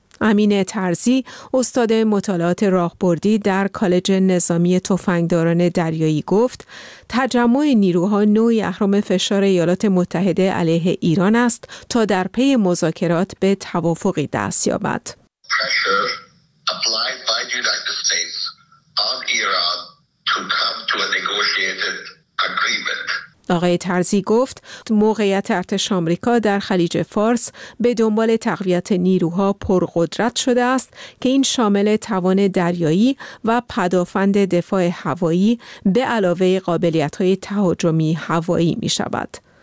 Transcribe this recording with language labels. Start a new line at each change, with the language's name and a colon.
Persian: امین طرزی، استاد مطالعات راهبردی در کالج نظامی تفنگداران دریایی گفت، تجمع نیروها نوعی اهرام فشار ایالات متحده علیه ایران است تا در پی مذاکرات به توافقی دست یابد.
English: Pressure applied by the United States on Iran to come to a negotiated agreement.
Persian: آقای طرزی گفت موقعیت ارتش آمریکا در خلیج فارس به دنبال تقویت نیروها پرقدرت شده است که این شامل توان دریایی و پدافند دفاع هوایی به علاوه قابلیت‌های تهاجمی هوایی می‌شود.